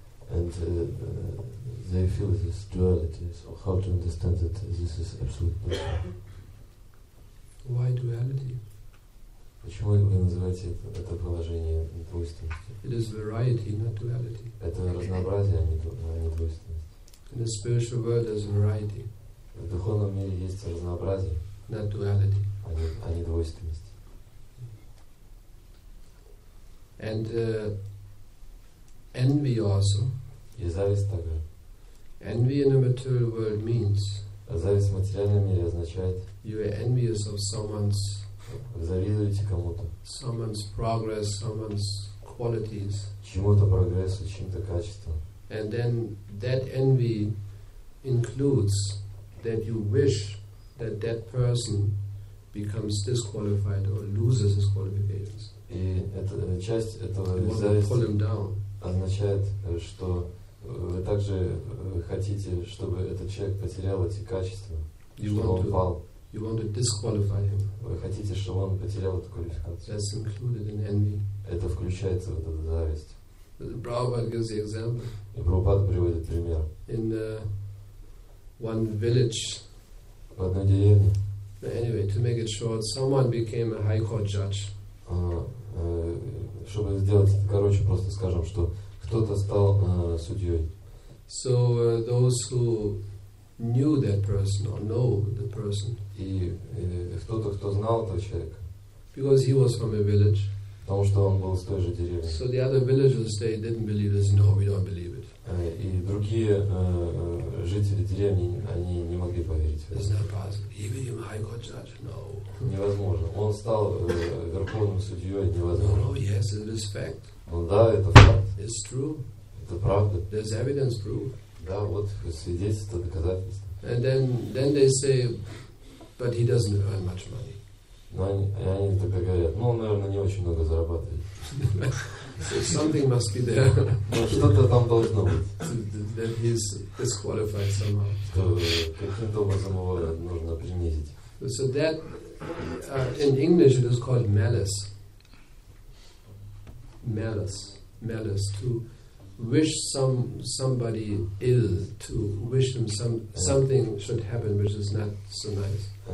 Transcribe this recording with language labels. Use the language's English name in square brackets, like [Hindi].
[English] And they feel this duality. So how to understand that this is absolute platform? Why duality? [Russian] Почему вы называете это положение двойственностью? [English] It is variety, not duality. [Russian] Это разнообразие, а не двойственность. [English] In the spiritual world, there's variety. [Russian] В духовном мире есть разнообразие. [English] Not duality. [Russian] А не двойственность. [English] And envy also. [Russian] И зависть также. [English] Envy in the material world means. [Russian] Зависть в материальном мире означает. [English] You are envious of someone's. [Russian] Вы завидуете кому-то. [English] Someone's progress, someone's qualities. [Russian] Чему-то прогрессу, чьим-то качествам. [English] And then that envy includes that you wish that that person becomes disqualified or loses his qualifications. [Russian] И это часть этого зависти означает, что вы также хотите, чтобы этот человек потерял эти качества, чтобы он пал. Вы хотите, чтобы он потерял эту квалификацию. Это включается в эту зависть. И Прабхупада приводит пример. В одной деревне. [English] Anyway, to make it short, someone became a high court judge. [Russian] Чтобы сделать это короче, просто скажем, что кто-то стал судьей. [English] So those who knew that person or know the person. [Russian] И кто-то, кто знал этого человека. [English] Because he was from a village. [Russian] Потому что он был с той же деревни. [English] So the other villagers, they didn't believe this. No, we don't believe it. [Russian] И другие жители деревни, они не могли поверить. [English] It's not possible. Even a high court judge, no. [Russian] Невозможно. Он стал верховным судьей, невозможно. [English] No, yes, it is fact. [Russian] Ну да, это факт. [English] It's true. [Russian] Это правда. [English] There's evidence proof. [Russian] Да, вот свидетельство, доказательство. [English] And then they say, but he doesn't earn much money. [Russian] Ну, они тогда говорят, ну, он, наверное, не очень много зарабатывает. [English] Something must be there. [Russian] Ну, что-то там должно быть. [English] That he's disqualified somehow. [Russian] Что каким-то образом его нужно принизить. [English] So that, in English it is called malice. Malice to wish somebody ill, to wish them something should happen which is not so nice.